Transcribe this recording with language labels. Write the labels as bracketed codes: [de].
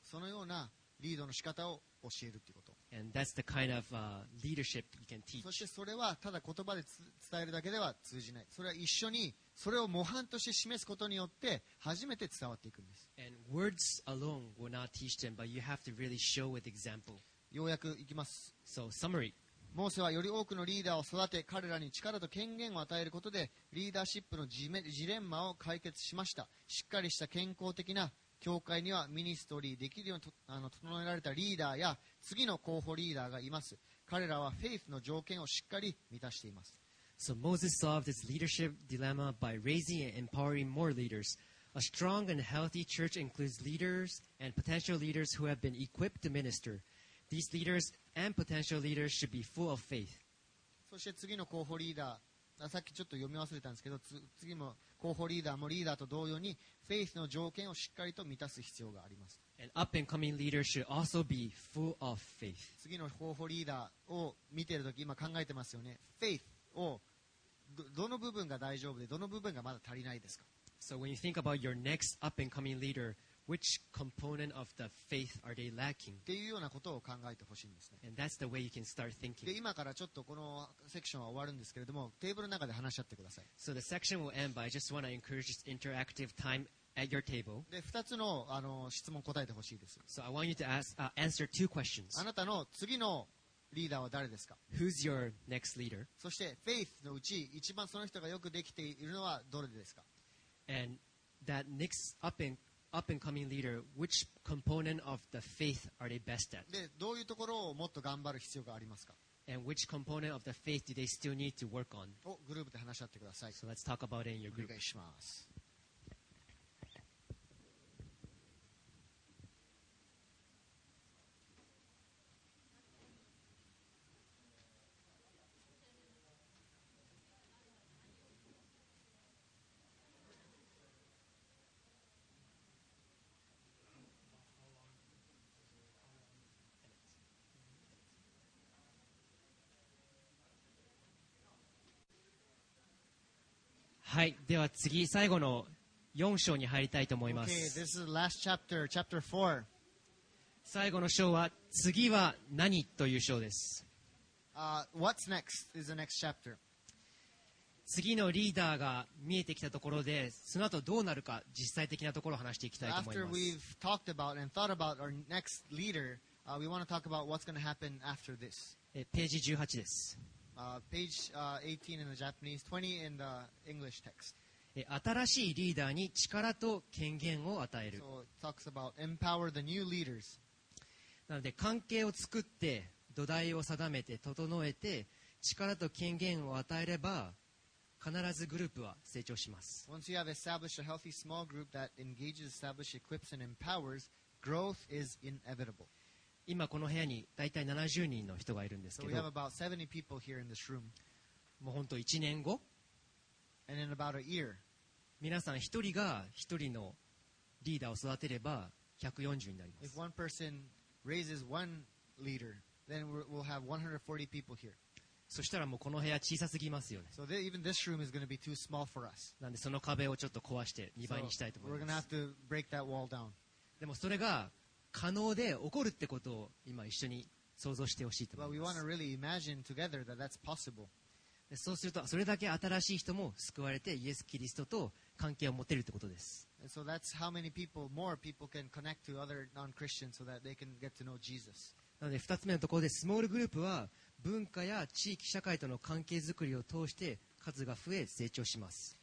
[ja] そのようなリードの仕方を教えるってこと。 [en] And that's the kind of leadership you can teach. [ja] そしてそれはただ言葉で伝えるだけでは通じない。それは一緒にそれを模範として示すことによって初めて伝わっていくんです。 [en] And words alone will not teach them, but you have to really show with example. [ja] ようやくいきます。 [en] So summary. [ja] モーセはより多くのリーダーを育て、彼らに力と権限を与えることで、リーダーシップのジレンマを解決しました。しっかりした健康的な教会には、ミニストリーできるように整えられたリーダーや、次の候補リーダーがいます。彼らはフェイスの条件をしっかり満たしています。 [en] So Moses solved his leadership dilemma by raising and empowering more leaders. A strong and healthy church includes leaders and potential leaders who have been equipped to minister. These leaders and potential leaders should be full of faith. [ja] そして次の候補リーダー、さっきちょっと読み忘れたんですけど、次も候補リーダーもリーダーと同様にフェイスの条件をしっかりと満たす必要があります。 [en] And up and coming leader should also be full of faith. [ja] 次の候補リーダーを見ているとき今考えてますよね。 Faith を どの部分が大丈夫でどの部分がまだ足りないですか。 [en] So when you think about your next up and coming leader, which component of the faith are they lacking? [ja] っていうようなことを考えてほしいんですね。 [en] And that's the way you can start thinking. [ja] で今からちょっとこのセクションは終わるんですけれども、テーブルの中で話し合ってください。 [en] So the section will end, but I just want to encourage this interactive timeAt your table. [ja] で2つ の, あの質問答えてほしいです。 [en] So I want you to ask, answer two questions. [ja] あなたの次のリーダーは誰ですか。 [en] Who's your next leader? [ja] そして Faith のうち一番その人がよくできているのはどれですか。 [en] And that next up and coming leader, which component of the faith are they best at? [ja] でどういうところをもっと頑張る必要がありますか。 [en] And which component of the faith do they still need to work on? [ja] をグループで話し合ってください。 [en] So let's talk about it in your group. [ja] お願いします。はい、では次最後の4章に入りたいと思います。 [en] Okay, this is last chapter, chapter 4. [ja] 最後の章は次は何という章です。 [en] What's next is the next chapter. [ja] 次のリーダーが見えてきたところでその後どうなるか実際的なところを話していきたいと思います。 [en] After we've talked about and thought about our next leader, we want to talk about what's going to happen after this. [ja] ページ18です。 [en] Page 18 in the Japanese, 20 in the English text. [ja] 新しいリーダーに力と権限を与える。 [en] So it talks about empower the new leaders. [ja] なので関係を作って土台を定めて整えて力と権限を与えれば必ずグループは成長します。 [en] Once you have established a healthy small group that engages, establishes, equips and empowers, growth is inevitable. [ja] 今この部屋にだいたい70人の人がいるんですけど、 [en] So we have about 70 people here in this room. [ja] もう本当1年後 [en] And in about a year, [ja] 皆さん1人が1人のリーダーを育てれば140になります。 [en] If one person raises one leader, then we'll have 140 people here. [ja] そしたらもうこの部屋小さすぎますよね。 [en] So even this room is going to be too small for us. [ja] なんでその壁をちょっと壊して2倍にしたいと思います。 [en] So we're going to have to break that wall down. [ja] でもそれが可能で起こるってことを今一緒に想像してほしいと思います。 [en] Well, we want to really、that that's possible. [ja] でそうするとそれだけ新しい人も救われてイエス・キリストと関係を持てるってことです。なので二つ目のところでスモールグループは文化や地域社会との関係づくりを通して数が増え成長します。